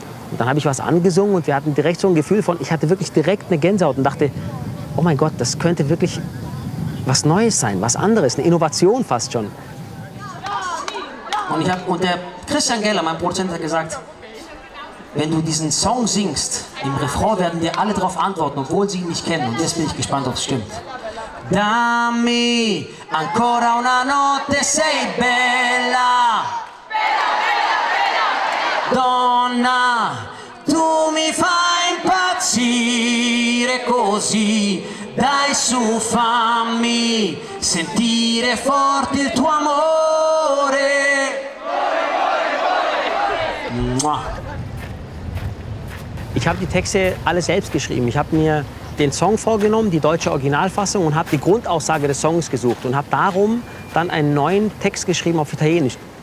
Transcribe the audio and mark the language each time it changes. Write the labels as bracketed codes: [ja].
[de] Und dann habe ich was angesungen und wir hatten direkt so ein Gefühl von, ich hatte wirklich direkt eine Gänsehaut und dachte, oh mein Gott, das könnte wirklich was Neues sein, was anderes, eine Innovation fast schon. Und der Christian Geller, mein Produzent, hat gesagt, wenn du diesen Song singst, im Refrain werden dir alle darauf antworten, obwohl sie ihn nicht kennen. Und jetzt bin ich gespannt, ob es stimmt. [it] Dammi ancora una notte, sei bella. Bella, bella, bella. Donna, tu mi fai impazzire così. Dai su, fammi sentire forte il tuo amore. [de] Ich habe die Texte alle selbst geschrieben. Ich habe mir den Song vorgenommen, die deutsche Originalfassung, und habe die Grundaussage des Songs gesucht und habe darum dann einen neuen Text geschrieben auf Italienisch.